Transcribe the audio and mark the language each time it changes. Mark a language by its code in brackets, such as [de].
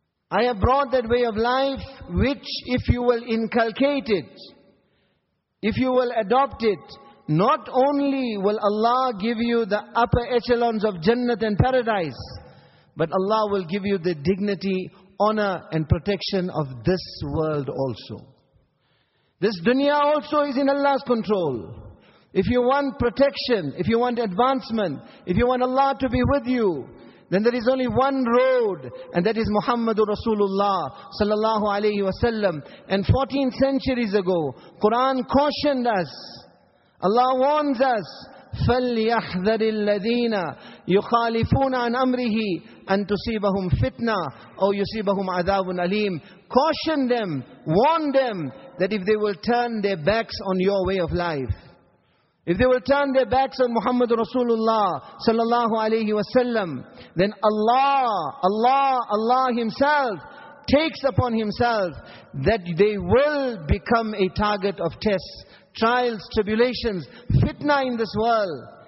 [en] I have brought that way of life, which if you will inculcate it, if you will adopt it, not only will Allah give you the upper echelons of Jannat and Paradise, but Allah will give you the dignity, honor and protection of this world also. This dunya also is in Allah's control. If you want protection, if you want advancement, if you want Allah to be with you, then there is only one road, and that is Muhammadur Rasulullah sallallahu alayhi wa sallam. And 14 centuries ago, Quran cautioned us, Allah warns us, [ar] فَلْيَحْذَرِ الَّذِينَ يُخَالِفُونَ عَنْ أَمْرِهِ أَنْ تُصِيبَهُمْ فِتْنَةً أَوْ يُصِيبَهُمْ عَذَابٌ أَلِيمٌ. [en] Caution them, warn them, that if they will turn their backs on your way of life, if they will turn their backs on Muhammad Rasulullah sallallahu alayhi wa sallam, then Allah Himself takes upon Himself that they will become a target of tests, trials, tribulations, fitna in this world.